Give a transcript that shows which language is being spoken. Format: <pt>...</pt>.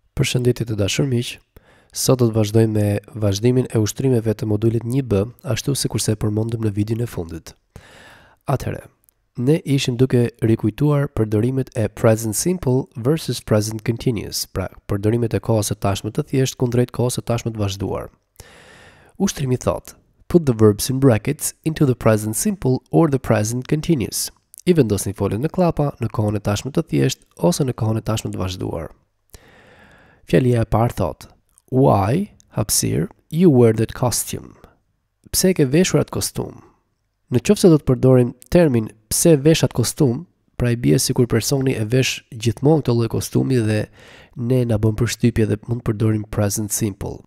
<sq>Përshëndetje të dashur miq. Sot do të vazhdojmë me vazhdimin e ushtrimeve të modulit 1B, ashtu sikurse e përmendëm në videon e fundit. Atëherë, ne ishim duke rikujtuar përdorimet e present simple versus present continuous, pra përdorimet e kohës së tashme të thjeshtë kundrejt kohës së tashme të vazhduar. Ushtrimi thotë:</sq> <en>Put the verbs in brackets into the present simple or the present continuous.</en> <sq>I vendosni foljen në klapa në kohën e tashme të thjeshtë ose në kohën e tashme të vazhduar. Fjalia e parë thot:</sq> <en>Why,</en> <sq>hapësir,</sq> <en>you wear that costume?</en> <sq>Pse ke veshur atë kostum? Në qoftë se do të përdorim termin pse vesh atë kostum, pra i bie sikur personi e vesh gjithmonë këtë lloj kostumi dhe ne na bën përshtypje dhe mund të përdorim present simple.</sq>